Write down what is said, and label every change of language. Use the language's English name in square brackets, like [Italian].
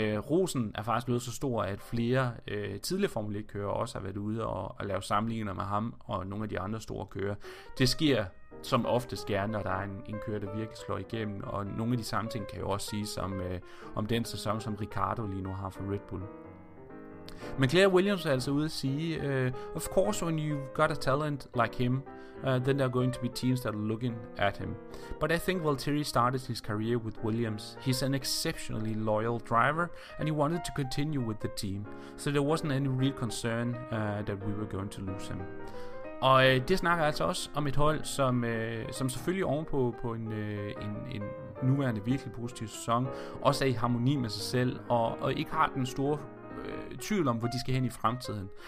[Danish] Rosen er faktisk blevet så stor, at flere tidligere Formel 1-kører også har været ude og lave sammenligninger med ham og nogle af de andre store kører. Det sker som oftest gerne, når der er en kører, der virkelig slår igennem, og nogle af de samme ting kan jo også siges om den sæson, som Ricardo lige nu har for Red Bull. Men Claire Williams er altså ude at sige, [English] of course when you've got a talent like him, then there are going to be teams that are looking at him. But I think Valtteri started his career with Williams. He's an exceptionally loyal driver, and he wanted to continue with the team. So there wasn't any real concern that we were going to lose him. [Danish] Og det snakker altså også om et hold, som, som selvfølgelig ovenpå på en nuværende virkelig positiv sæson, også er i harmoni med sig selv, og ikke har den store tvivl om, hvor de skal hen i fremtiden.